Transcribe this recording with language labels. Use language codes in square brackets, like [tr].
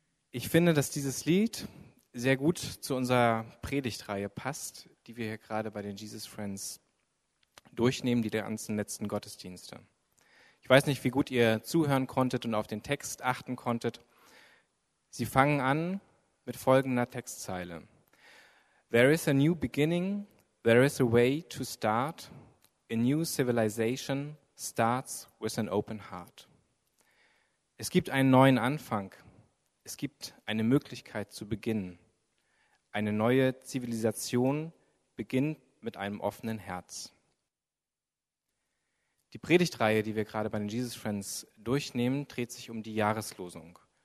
[de] Ich finde, dass dieses Lied sehr gut zu unserer Predigtreihe passt, die wir hier gerade bei den Jesus Friends durchnehmen, die ganzen letzten Gottesdienste. Ich weiß nicht, wie gut ihr zuhören konntet und auf den Text achten konntet. Sie fangen an mit folgender Textzeile. [en] There is a new beginning, there is a way to start. A new civilization starts with an open heart. [de] Es gibt einen neuen Anfang. Es gibt eine Möglichkeit zu beginnen. Eine neue Zivilisation beginnt mit einem offenen Herz. Die Predigtreihe, die wir gerade bei den Jesus Friends durchnehmen, dreht sich um die Jahreslosung.